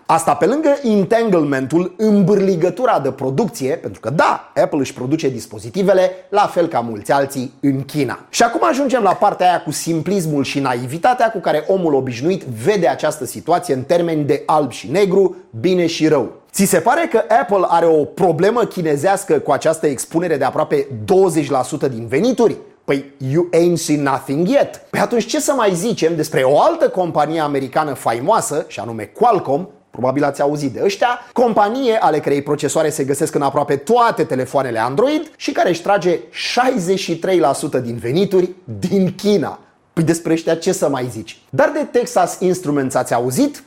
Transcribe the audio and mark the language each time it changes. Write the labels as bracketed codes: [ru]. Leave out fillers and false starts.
[ro] Asta pe lângă entanglementul, îmbârligătura de producție, pentru că da, Apple își produce dispozitivele la fel ca mulți alții în China. Și acum ajungem la partea aia cu simplismul și naivitatea cu care omul obișnuit vede această situație în termeni de alb și negru, bine și rău. Ți se pare că Apple are o problemă chinezească cu această expunere de aproape 20% din venituri? [en] Păi, you ain't seen nothing yet. [ro] Păi atunci ce să mai zicem despre o altă companie americană faimoasă, și anume Qualcomm, probabil ați auzit de ăștia, companie ale cărei procesoare se găsesc în aproape toate telefoanele Android și care își trage 63% din venituri din China. Păi despre ăștia ce să mai zici? Dar de Texas Instruments ați auzit?